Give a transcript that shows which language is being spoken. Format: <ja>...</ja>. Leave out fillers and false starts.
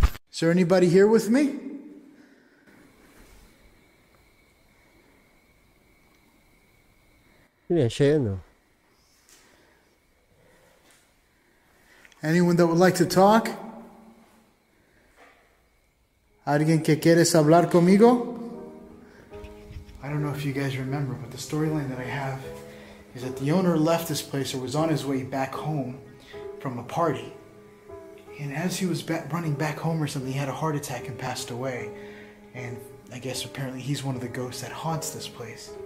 <en>Is there anybody here with me? Yeah, sure, no. Anyone that would like to talk?</en> <es>¿Alguien que quieres hablar conmigo?</es> <en>I don't know if you guys remember, but the storyline that I have is that the owner left this place or was on his way back home from a party. And as he was running back home or something, he had a heart attack and passed away. And I guess apparently he's one of the ghosts that haunts this place.</en>